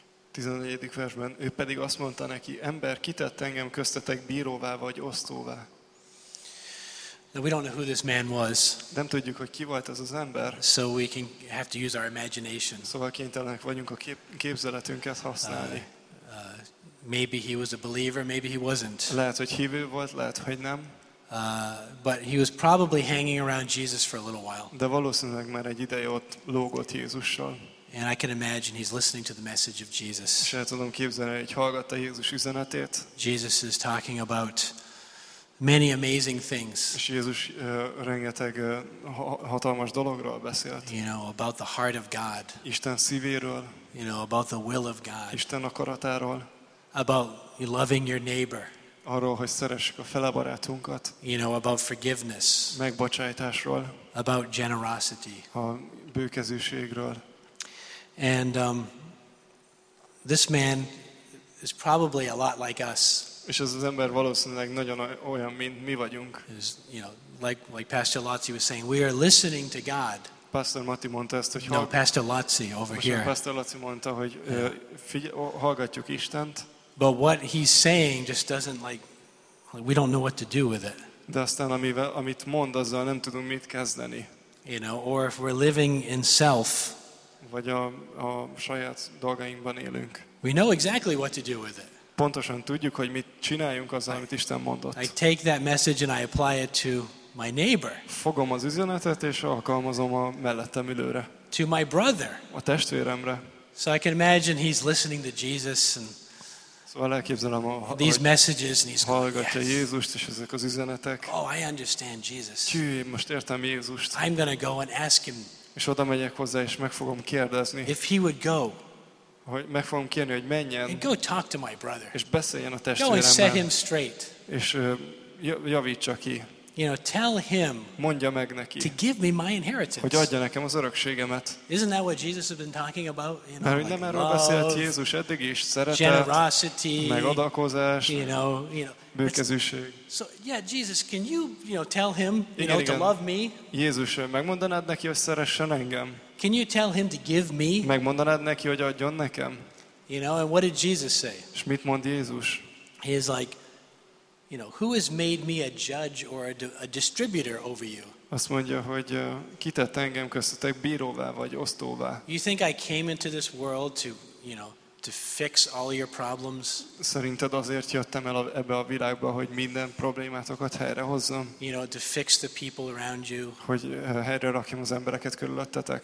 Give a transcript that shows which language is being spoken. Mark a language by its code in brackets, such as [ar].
[hu] 14. versben ő pedig azt mondta neki, Ember, kitett engem köztetek bíróvá vagy osztóvá? [en] Now we don't know who this man was. [hu] Nem tudjuk, hogy ki volt ez az ember. [en] So we can have to use our imagination. [hu] Szóval kénytelenek vagyunk a képzeletünket használni. [en] Maybe he was a believer, maybe he wasn't. [hu] Lehet, hogy hívő volt, lehet, hogy nem. [en] But he was probably hanging around Jesus for a little while. [hu] De valószínűleg már egy ideje ott lógott Jézussal. [en] And I can imagine he's listening to the message of Jesus. [hu] És el tudom képzelni, hogy hallgatta Jézus üzenetét. [en] Jesus is talking about many amazing things. [hu] És Jézus rengeteg hatalmas dologról beszélt. [en] You know, about the heart of God. [hu] Isten szívéről. [en] You know, about the will of God. [hu] Isten akaratáról. [en] About loving your neighbor. [hu] Arról, hogy szeressük a felebarátunkat. [en] You know, about forgiveness. [hu] Megbocsátásról. [en] About generosity. [hu] A bőkezűségről. [en] And this man is probably a lot like us. [hu] És ez az ember valószínűleg nagyon olyan, mint mi vagyunk. [en] Is, you know, like Pastor Laci was saying, we are listening to God. [hu] Pastor Mati mondta ezt, hogy [en] no, Pastor Laci over [hu] most [en] here. [hu] Pastor Laci mondta, hogy hallgatjuk Istent. [en] But what he's saying just doesn't like we don't know what to do with it. [hu] De aztán, amit mond, azzal nem tudunk mit kezdeni. [en] You know, or if we're living in self. [hu] Vagy a saját dolgainkban élünk. [en] We know exactly what to do with it. [hu] Pontosan tudjuk, hogy mit csináljunk azzal, amit Isten mondott. [en] I take that message and I apply it to my neighbor. [hu] Fogom az üzenetet és alkalmazom a mellettem ülőre. [en] To my brother. [hu] A testvéremre. [en] So I can imagine he's listening to Jesus and [hu] Szóval elképzelem a [en] these messages and these [hu] hallgatja Jézust és ezek az üzenetek. [en] Oh, I understand Jesus. [hu] Most értem Jézust. [en] I'm gonna go and ask him. [hu] És oda megyek hozzá és meg fogom kérdezni. [en] If he would go. [hu] Hogy meg fogom kérni, hogy menjen. [en] And go talk to my brother. [hu] És beszéljen a testvéremmel. [en] Go and set him straight. [hu] És javítsa ki. [en] You know, tell him. [hu] Mondja meg neki. [en] To give me my inheritance. [hu] Hogy adja nekem az örökségemet. [en] Isn't that what Jesus has been talking about? You know, like [hu] nem erről beszélt Jézus eddig is, szeretet, [en] generosity, [hu] megadakozás, [en] you know, [hu] bőkezűség. [en] So yeah, Jesus, can you tell him, you know, to love me? [hu] Jézus, megmondanád neki, hogy szeressen engem? [en] Can you tell him to give me? [hu] Megmondanád neki, hogy adjon nekem? [en] You know, and what did Jesus say? [hu] És mit mond Jézus? [en] He is like, you know, who has made me a judge or a distributor over you? [hu] Azt mondja, hogy ki tett engem köztetek bíróvá vagy osztóvá. [en] You think I came into this world to, you know, to fix all your problems? [hu] Szerinted azért jöttem el ebbe a világba, hogy minden problémátokat helyrehozzam? [en] You know, to fix the people around you. [hu] Hogy helyre rakjam az embereket körülöttetek.